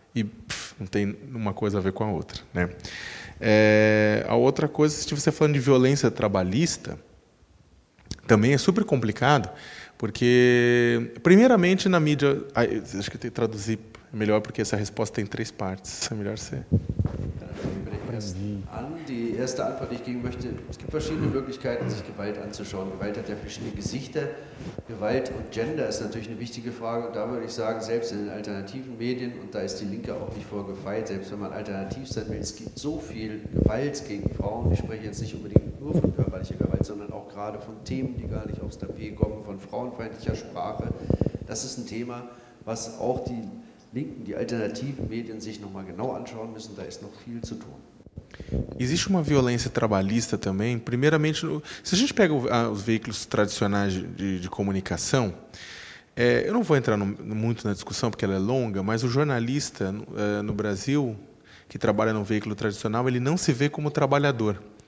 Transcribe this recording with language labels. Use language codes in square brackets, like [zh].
[pt] E não tem uma coisa a ver com a outra, né? A outra coisa, se você falando de violência trabalhista, também é super complicado, porque, primeiramente, na mídia... Acho que tem que traduzir melhor, porque essa resposta tem três partes. É melhor ser... [de] An die erste Antwort, die ich geben möchte, es gibt verschiedene Möglichkeiten, sich Gewalt anzuschauen. Gewalt hat ja verschiedene Gesichter. Gewalt und Gender ist natürlich eine wichtige Frage. Und da würde ich sagen, selbst in den alternativen Medien, und da ist die Linke auch nicht vor gefeit, selbst wenn man alternativ sein will, es gibt so viel Gewalt gegen Frauen. Ich spreche jetzt nicht unbedingt nur von körperlicher Gewalt, sondern auch gerade von Themen, die gar nicht aufs Tapet kommen, von frauenfeindlicher Sprache. Das ist ein Thema, was auch die Linken, die alternativen Medien sich nochmal genau anschauen müssen. Da ist noch viel zu tun. [pt] Existe uma violência trabalhista também. Primeiramente, se a gente pega os veículos tradicionais de comunicação, eu não vou entrar muito na discussão, porque ela é longa, mas o jornalista no Brasil, que trabalha num veículo tradicional, ele não se vê como trabalhador.